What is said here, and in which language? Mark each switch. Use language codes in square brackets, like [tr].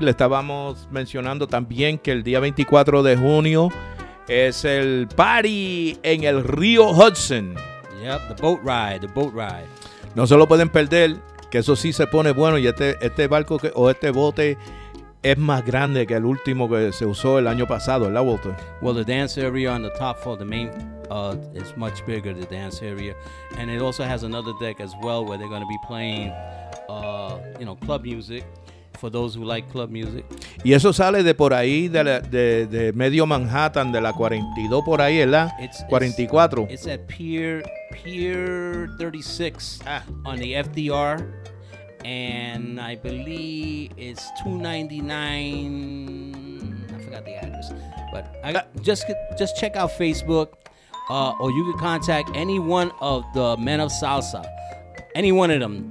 [es] Le estábamos mencionando también que el día 24 de junio es el party en el río Hudson. [en] Yep, the boat ride, the boat ride. [es] No se lo pueden perder. Que eso sí se pone bueno, y este barco que, o este bote es más grande que el último que se usó el año pasado, ¿verdad, Walter? [en] Well, the dance area on the top floor, the main, is much bigger, the dance area. And it also has another deck as well where they're going to be playing, you know, club music, for those who like club music. [es] Y eso sale de por ahí, de medio Manhattan, de la 42 por ahí, ¿verdad? [en] It's, 44. It's at Pier 36 on the FDR, and I believe it's 299. I forgot the address, but I got, just check out Facebook, or you can contact any one of the men of Salsa, any one of them.